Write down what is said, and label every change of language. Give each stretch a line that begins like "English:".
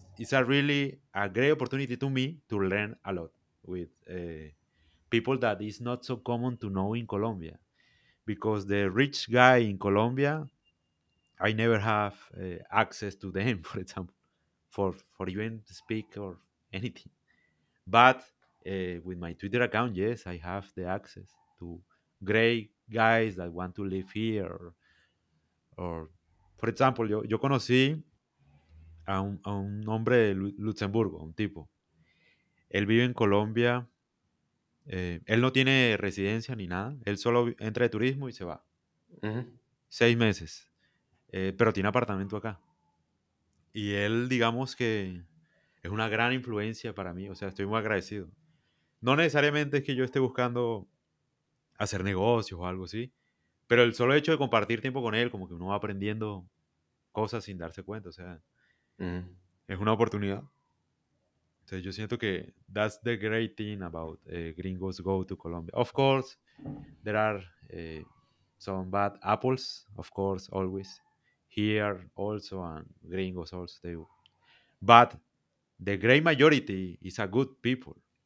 English: It's a really a great opportunity to me to learn a lot with people that is not so common to know in Colombia, because the rich guy in Colombia, I never have access to them, for example, for even speak or anything. But with my Twitter account, yes, I have the access to great guys that want to live here. Or for example,
Spanish: yo conocí a un hombre de Luxemburgo, un tipo. Él vive en Colombia. Él no tiene residencia ni nada. Él solo entra de turismo y se va. Uh-huh. 6 meses. Pero tiene apartamento acá. Y él, digamos que es una gran influencia para mí. O sea, estoy muy agradecido. No necesariamente es que yo esté buscando hacer negocios o algo así. Pero el solo hecho de compartir tiempo con él, como que uno va aprendiendo cosas sin darse cuenta. O sea, es una oportunidad. Entonces yo siento que
English: that's the great thing about gringos go to Colombia. Of course, there are some bad apples, of course, always. Here also, and gringos also, they. But the great majority is a good people.